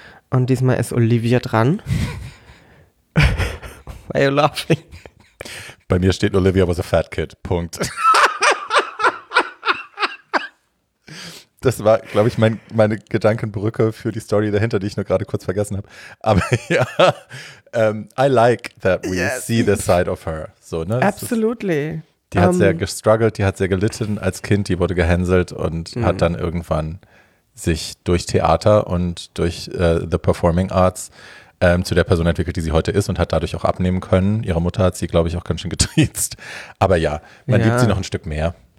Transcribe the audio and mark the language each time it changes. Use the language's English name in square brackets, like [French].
[German] Und diesmal ist Olivia dran. [English] Why are you laughing? [German] Bei mir steht Olivia [English] was a fat kid. [German] Punkt. Das war, glaube ich, meine Gedankenbrücke für die Story dahinter, die ich nur gerade kurz vergessen habe. Aber ja, [English] I like that we see the side of her. [German] So, ne? [English] Absolutely. [German] Die hat sehr gestruggelt, die hat sehr gelitten als Kind, die wurde gehänselt und hat dann irgendwann sich durch Theater und durch [English] the Performing Arts [German] zu der Person entwickelt, die sie heute ist und hat dadurch auch abnehmen können. Ihre Mutter hat sie, glaube ich, auch ganz schön getriezt. Aber ja, man liebt sie noch ein Stück mehr.